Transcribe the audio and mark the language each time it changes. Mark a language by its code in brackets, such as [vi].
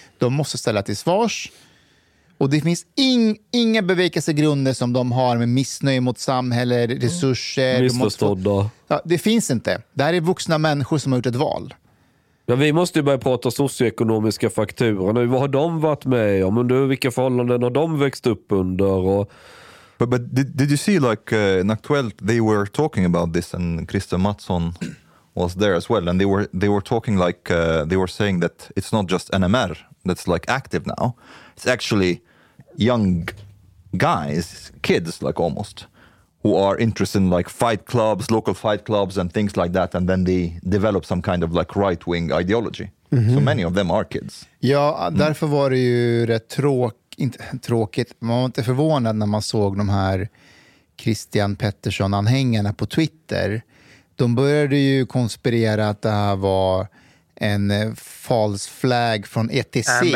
[sv] De måste ställa till svars. Och det finns inga bevekelsegrunder som de har med missnöje mot samhälle, resurser. Missförstådda. Ja, det finns inte. Det här är vuxna människor som har gjort ett val. Ja, vi måste ju börja prata socioekonomiska faktorer. Vad har de varit med om? Vilka förhållanden har de växt upp under? [en] But did you see like in Aktuellt, they were talking about this and Christer Mattsson was there as well. And they were talking like, they were saying that it's not just NMR that's like active now. It's actually young guys, kids like almost, who are interested in like fight clubs, local fight clubs and things like that, and then they develop some kind of like right-wing ideology. Mm-hmm. So many of them are kids. [sv] Ja, därför var det ju rätt tråkigt. Man var inte förvånad när man såg de här Christian Pettersson-anhängarna på Twitter. De började ju konspirera att det här var en falsk flagg från ETC.